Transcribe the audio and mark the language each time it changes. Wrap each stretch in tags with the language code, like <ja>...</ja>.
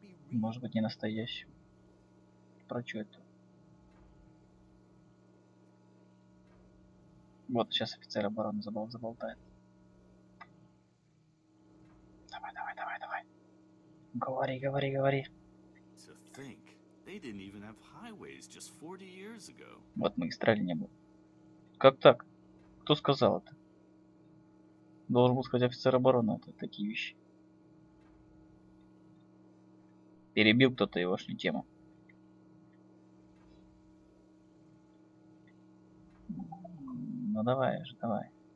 <ru>Может быть, не настоящим. Про что это? Вот, сейчас офицер обороны заболтает. Давай. Говори.</ru> <en>To think, they didn't even have highways just 40 years ago.</en> <ru>Вот, магистрали не было. Как так? Кто сказал это? Должен был сказать офицер обороны, это такие вещи. Перебил кто-то его ж не тему. Ну давай же, давай.</ru>